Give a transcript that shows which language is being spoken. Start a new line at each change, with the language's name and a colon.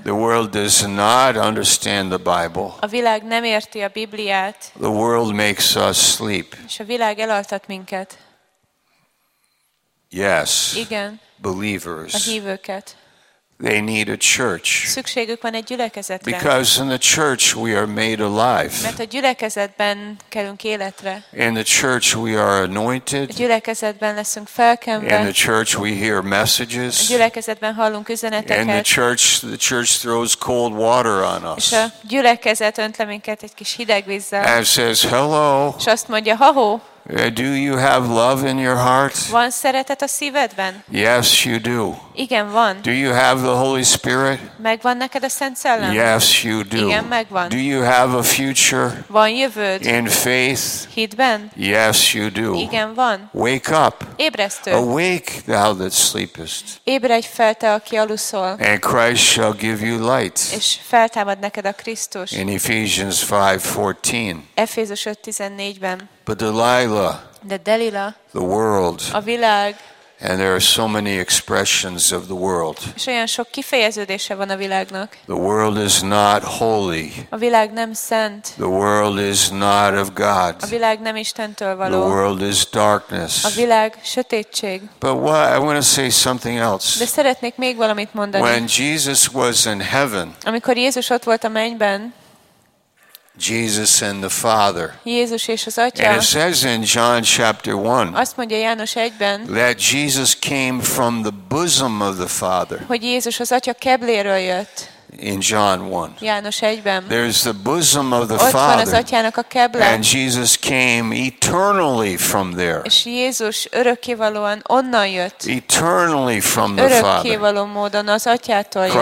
English: The world does not understand the Bible.
Hungarian: A világ nem érti a Bibliát.
English: The world makes us sleep.
Hungarian: És a világ elaltat minket.
English: Yes.
Hungarian: Igen.
English: Believers.
Hungarian: A hívőket.
English: They need a church.
Hungarian: Szükségük van egy gyülekezetre.
English: Because in the church we are made alive.
Hungarian: Mert a gyülekezetben kerülünk életre.
English: In the church we are anointed.
Hungarian: A gyülekezetben leszünk felkenve.
English: In the church we hear messages.
Hungarian: A gyülekezetben hallunk üzeneteket.
English: In the church throws cold water on us.
Hungarian: És a gyülekezet önt le minket egy kis hideg vízzel.
English: And says hello.
Hungarian: És azt mondja, ha-ho.
English: Do you have love in your heart?
Hungarian: Van szeretet a szívedben?
English: Yes, you do.
Hungarian: Igen, van.
English: Do you have the Holy Spirit?
Hungarian: Megvan neked a Szent Szellem?
English: Yes, you do.
Hungarian: Igen, megvan.
English: Do you have a future?
Hungarian: Van jövőd?
English: In faith?
Hungarian: Hitben?
English: Yes, you do.
Hungarian: Igen, van.
English: Wake up.
Hungarian: Ébresztő.
English: Awake, thou that sleepest.
Hungarian: Ébredj fel, te, aki aluszol.
English: And Christ shall give you light.
Hungarian: És feltámad neked a Krisztus.
English: In Ephesians 5:14.
Hungarian: Efézus 5:14-ben.
English: But Delilah,
Hungarian: de Delilah,
English: the world,
Hungarian: a világ,
English: And there are so many expressions of the world.
Hungarian: És olyan sok kifejeződése van a világnak.
English: The world is not holy.
Hungarian: A világ nem szent.
English: The world is not of God.
Hungarian: A világ nem Istentől való.
English: The world is darkness.
Hungarian: A világ sötétség.
English: But what, I want to say something else.
Hungarian: De szeretnék még valamit mondani.
English: When Jesus was in heaven.
Hungarian: Amikor Jézus ott volt a mennyben.
English: Jesus and the Father.
Hungarian: Jézus és az Atya.
English: And it says in John chapter 1.
Hungarian: Azt mondja János 1-ben.
English: That Jesus came from the bosom of the Father.
Hungarian: Hogy Jézus az Atya kebléről jött.
English: In John 1.
Hungarian: János 1-ben.
English: There's the bosom of the
Hungarian: Ott
English: Father.
Hungarian: Van az Atyának a keble.
English: And Jesus came eternally from there.
Hungarian: És Jézus örökkévalóan onnan jött.
English: Eternally from the Father.
Hungarian: Örökkévaló módon az Atyától jött.